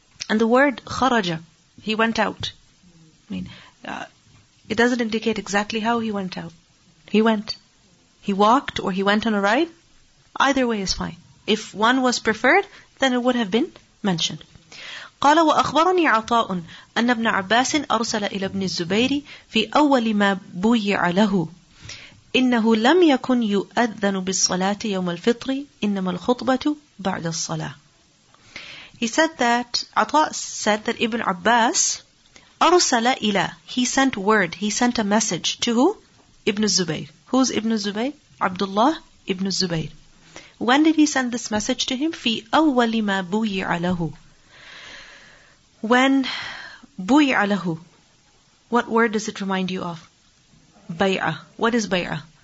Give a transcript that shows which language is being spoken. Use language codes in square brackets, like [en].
[en] And the word خرج, he went out, I mean, it doesn't indicate exactly how he went out. He went. He walked or he went on a ride. Either way is fine. If one was preferred, then it would have been mentioned. [ar] قال وأخبرني عطاء أن ابن عباس أرسل إلى ابن الزبير في أول ما بويع له إنه لم يكن يؤذن بالصلاة يوم الفطر إنما الخطبة بعد الصلاة. [en] He said that عطاء said that Ibn Abbas [ar] أرسل إلى, [en] he sent word, he sent a message to who? Ibn Zubayr. Who's Ibn Zubayr? Abdullah Ibn Zubayr. When did he send this message to him? [ar] في أول ما بويع له. [en] When بويع له, what word does it remind you of? Bay'ah. What is bay'ah?